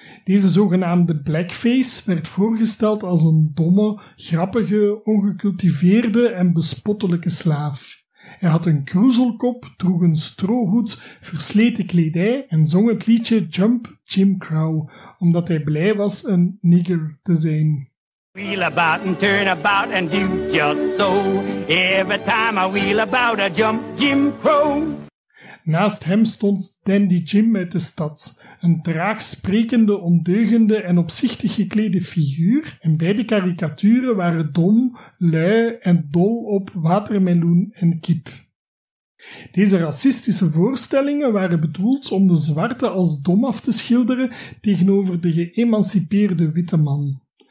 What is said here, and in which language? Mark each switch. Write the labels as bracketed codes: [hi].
[nl] Deze zogenaamde blackface werd voorgesteld als een domme, grappige, ongecultiveerde en bespottelijke slaaf. Hij had een kroezelkop, droeg een strohoed, versleten kledij en zong het liedje Jump Jim Crow, omdat hij blij was een nigger te zijn. [en] Wheel about and turn about and do just so. Every time I wheel about, I jump Jim Crow. [nl] Naast hem stond Dandy Jim uit de stad, een traag sprekende, ondeugende en opzichtig geklede figuur, en beide karikaturen waren dom, lui en dol op watermeloen en kip. Deze racistische voorstellingen waren bedoeld om de zwarte als dom af te schilderen tegenover de geëmancipeerde witte man.